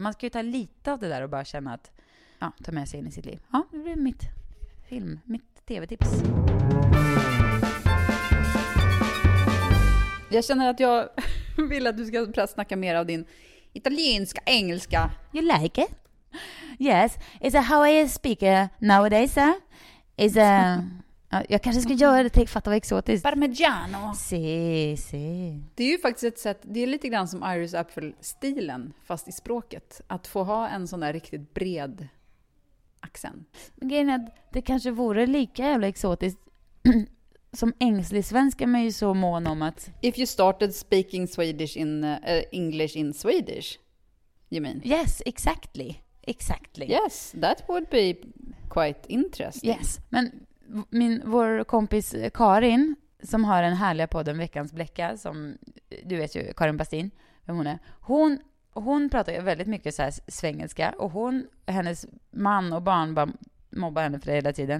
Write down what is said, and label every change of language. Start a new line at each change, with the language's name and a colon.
Swedish: Man ska ju ta lite av det där och bara känna att, ja, ta med sig in i sitt liv. Ja, det blir mitt film, mitt tv-tips. Jag känner att jag vill att du ska snacka mer av din italienska, engelska.
English: You like it? Yes. Is that how I speak nowadays? Is that...
Swedish: Jag kanske ska göra det till fatta vad exotiskt.
Italian: Parmigiano. Si, si.
Swedish: Det är ju faktiskt ett sätt, det är lite grann som Iris Apfel-stilen, fast i språket. Att få ha en sån där riktigt bred accent. Men grejen är att det kanske vore lika jävla exotiskt. Som ängslig svensk är man ju så mån om att...
English: If you started speaking Swedish in English in Swedish, you mean? Yes, exactly. Exactly. Yes, that would be quite interesting.
Swedish: Yes, men vår kompis Karin, som har den härliga podden Veckans bläcka, som du vet ju, Karin Bastin, vem hon är. Hon pratar ju väldigt mycket så här svengelska, och hon, hennes man och barn bara... mobba henne för det hela tiden.